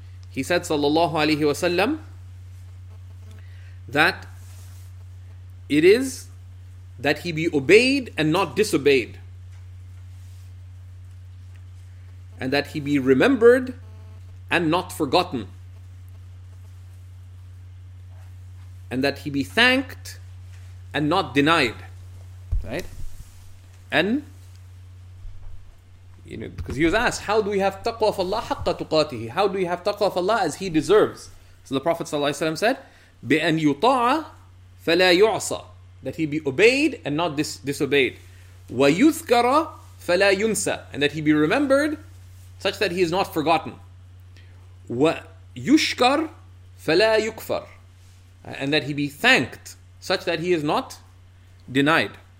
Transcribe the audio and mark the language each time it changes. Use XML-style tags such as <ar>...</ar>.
<en>He said ﷺ that it is that he be obeyed and not disobeyed, and that he be remembered and not forgotten, and that he be thanked and not denied. Right? And, you know, because he was asked, how do we have taqwa of Allah</en> <ar>haqqa tuqatihi?</ar> <en>How do we have taqwa of Allah as he deserves? So the Prophet ﷺ said,</en> <ar>بِأَنْ يُطَاعَ فَلَا يُعْصَى.</ar> <en>That he be obeyed and not disobeyed.</en> <ar>وَيُذْكَرَ فَلَا يُنْسَى.</ar> <en>And that he be remembered such that he is not forgotten.</en> <ar>وَيُشْكَرْ فَلَا يُكْفَرْ.</ar> <en>And that he be thanked such that he is not denied.</en>